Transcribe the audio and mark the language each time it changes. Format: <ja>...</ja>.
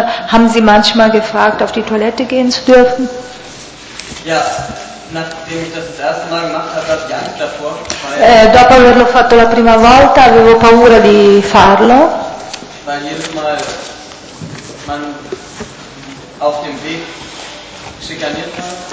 <de>Haben Sie manchmal gefragt, auf die Toilette gehen zu dürfen? Ja, nachdem ich das erste Mal gemacht habe, hatte ich Angst davor.</de> <it>Dopo averlo fatto la prima volta, avevo paura di farlo.</it> <de>Weil jedes Mal man auf dem Weg schikaniert war.</de>